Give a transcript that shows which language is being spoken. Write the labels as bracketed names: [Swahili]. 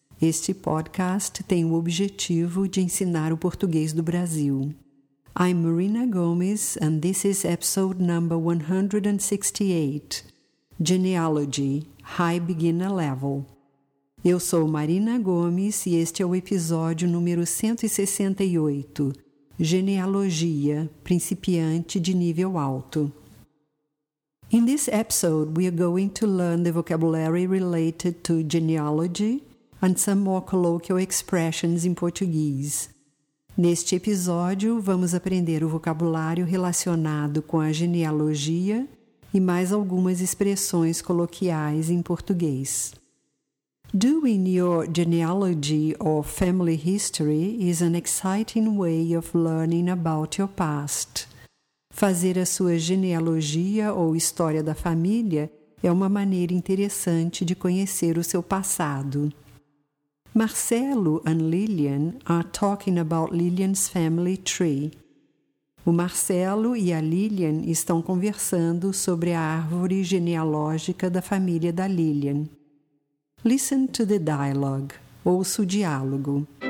[Portuguese] Este podcast tem o objetivo de ensinar o português do Brasil. [English] I'm Marina Gomes, and this is episode number 168, Genealogy, High Beginner Level. [Portuguese] Eu sou Marina Gomes e este é o episódio número 168, Genealogia, Principiante de Nível Alto. [English] In this episode, we are going to learn the vocabulary related to genealogy and some more colloquial expressions in Portuguese. [Portuguese] Neste episódio, vamos aprender o vocabulário relacionado com a genealogia e mais algumas expressões coloquiais em português. [English] Doing your genealogy or family history is an exciting way of learning about your past. [Portuguese] Fazer a sua genealogia ou história da família é uma maneira interessante de conhecer o seu passado. [English] Marcelo and Lillian are talking about Lillian's family tree. [Portuguese] O Marcelo e a Lillian estão conversando sobre a árvore genealógica da família da Lillian. [English] Listen to the dialogue. [Portuguese] Ouça o diálogo.